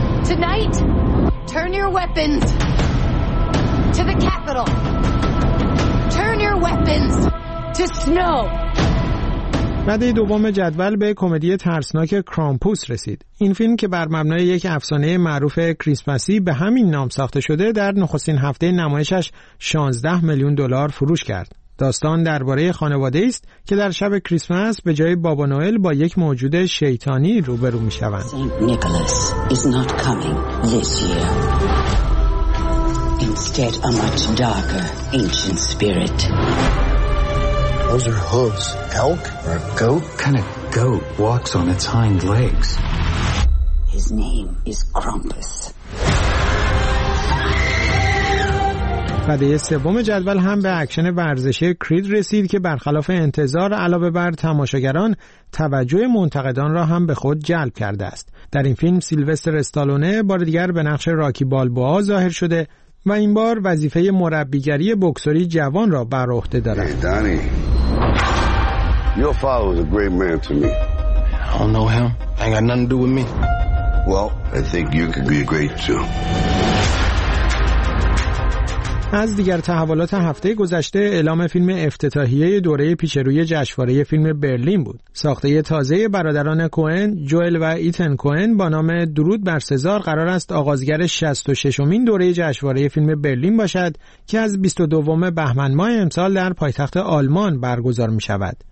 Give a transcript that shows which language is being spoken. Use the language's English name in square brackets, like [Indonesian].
[English] Tonight, turn your weapons to the Capitol. Turn your weapons to snow. [Persian] بعدی دوم جدول به کمدی ترسناک کرامپوس رسید. این فیلم که بر مبنای یک افسانه معروف کریسمسی به همین نام ساخته شده در نخستین هفته نمایشش 16 میلیون دلار فروش کرد. داستان درباره خانواده است که در شب کریسمس به جای بابا نوئل با یک موجود شیطانی روبرو می شوند. [English] Saint Nicholas is not coming this year. Instead, a much darker ancient spirit. Those are hooves. Elk or a goat? Kind of goat walks on its hind legs. His name is Krampus. [Persian] قده سوم جدول هم به اکشن ورزشی کرید رسید که برخلاف انتظار علاوه بر تماشاگران توجه منتقدان را هم به خود جلب کرده است. در این فیلم سیلوستر استالونه بار دیگر به نقش راکی بالبوا ظاهر شده و این بار وظیفه مربیگری بکسوری جوان را بر عهده دارد. [English] Danny Your father was a great man to me. I don't know him. I ain't got nothing to do with me. Well, I think you could be great too. [Persian] از دیگر تحولات هفته گذشته اعلام فیلم افتتاحیه دوره پیشروی جشنواره فیلم برلین بود. ساخته تازه برادران کوئن، جوئل و ایتن کوئن با نام درود بر سزار قرار است آغازگر 66مین دوره جشنواره فیلم برلین باشد که از 22 بهمن ماه امسال در پایتخت آلمان برگزار می شود.